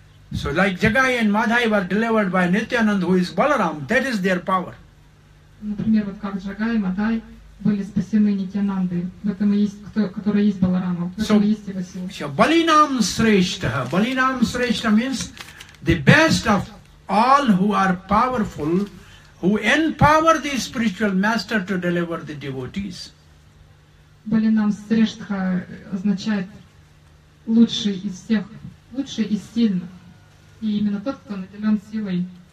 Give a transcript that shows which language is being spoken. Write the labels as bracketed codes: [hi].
[en] So like Jagai and Madhai were delivered by Nityananda, who is Balaram, that is their power. [ru] Например, вот как Джагай и Мадай были спасены Нитянандой, которая есть Баларама, в этом есть его сила. [en] So Balinam Shrestha. Balinam Shrestha means the best of all who are powerful, who empower the spiritual master to deliver the devotees. [ru] Balinam Shrestha означает лучший из всех, лучший из сильных. И именно тот, кто наделен силой.